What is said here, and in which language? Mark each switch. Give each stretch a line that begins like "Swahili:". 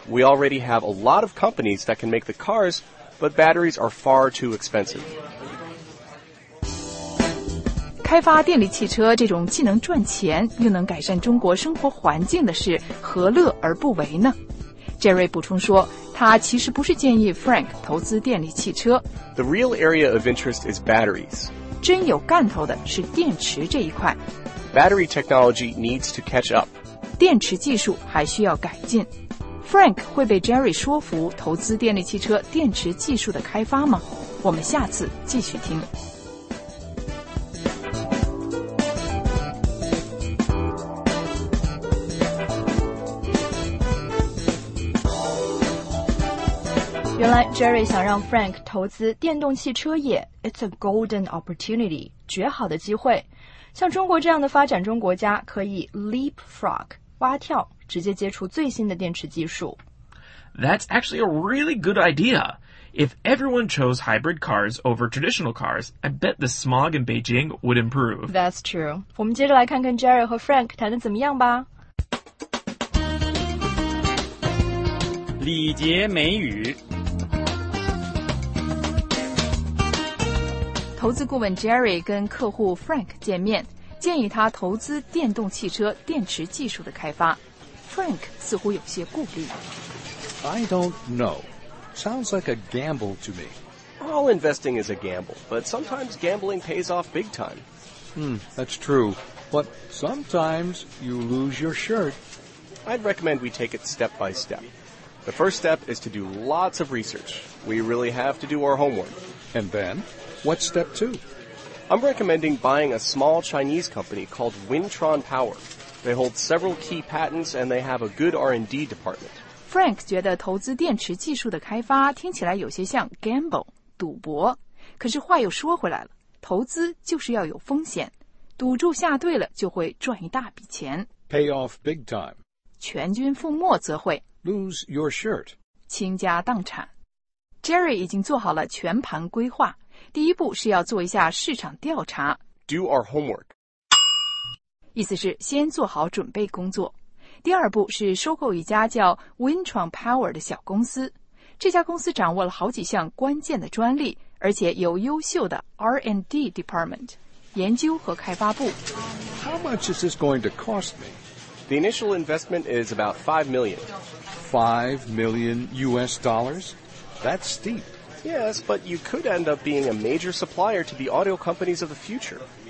English: We already have a lot of companies that can make the cars, but batteries are far too expensive.
Chinese: 开发电力汽车这种既能赚钱又能改善中国生活环境的事，何乐而不为呢？ Jerry 补充说，他其实不是建议 Frank 投资电力汽车。
English: The real area of interest is batteries.
Chinese: 真有干头的是电池这一块。
English: Battery technology needs to catch up.
Chinese: 电池技术还需要改进。 Frank 会被 Jerry 说服投资电力汽车电池技术的开发吗？我们下次继续听。原来 Jerry 想让 Frank 投资电动汽车业
English: It's a golden opportunity
Chinese: 绝好的机会像中国这样的发展中国家可以 leapfrog 蛙跳直接接触最新的电池技术
English: That's actually a really good ideaIf everyone chose hybrid cars over traditional cars, I bet the smog in Beijing would improve. That's true.
Chinese: 我们接着来看看 Jerry 和 Frank 谈得怎么样吧。礼节美语。投资顾问 Jerry 跟客户 Frank 见面，建议他投资电动汽车电池技术的开发。 Frank 似乎有些顾虑。
English: I don't know. Sounds like a gamble to me. All investing is a gamble, but sometimes gambling pays off big time. That's true. But sometimes you lose your shirt. I'd recommend we take it step by step. The first step is to do lots of research. We really have to do our homework. And then, what's step two? I'm recommending buying a small Chinese company called Wintron Power. They hold several key patents and they have a good R&D department.
Chinese: Frank 觉得投资电池技术的开发听起来有些像 gamble, 赌博。可是话又说回来了，投资就是要有风险，赌注下对了就会赚一大笔钱。
English: Pay off big time.
Chinese: 全军覆没则会。
English: Lose your shirt.
Chinese: 倾家荡产。 Jerry 已经做好了全盘规划，第一步是要做一下市场调查。
English: Do our homework.
Chinese: 意思是先做好准备工作。第二步是收购一家叫 Wintron Power 的小公司。这家公司掌握了好几项关键的专利，而且有优秀的 R&D department, 研究和开发部。
English: How much is this going to cost me? The initial investment is about $5 million. $5 million US dollars? That's steep. Yes, but you could end up being a major supplier to the auto companies of the future.